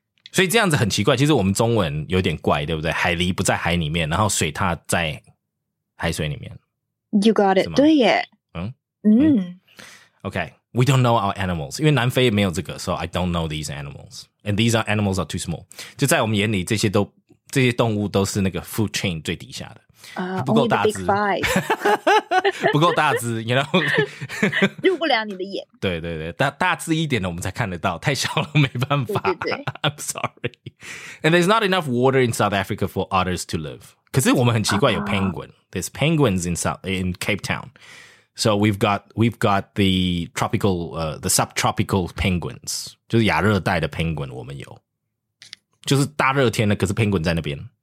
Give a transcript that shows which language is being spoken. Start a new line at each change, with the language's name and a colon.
Chinese: 所以这样子很奇怪，其实我们中文有点怪，对不对？海狸不在海里面，然后水獭在海水里面。
English: You got it,
Chinese: 对耶。
English: Okay, we don't know our animals,
Chinese: 因为南非也没有这个，
English: so I don't know these animals. And these animals are too small.
Chinese: 就在我们眼里这些都这些动物都是那个 food chain 最底下的，不够大只，
English: only the big five.
Chinese: 不够大只，你知道，入不了你的眼。对对对，大只一点的我们才看得到，太小了没办法。对对对
English: I'm sorry. And there's not enough water in South Africa for otters to live.
Chinese: 可是我们很奇怪，有 penguin.
English: There's penguins in Cape Town. So we've got the tropical, the subtropical penguins.
Chinese: 就是亚热带的 penguin 我们有。就是大热天的，可是 penguin 在那边。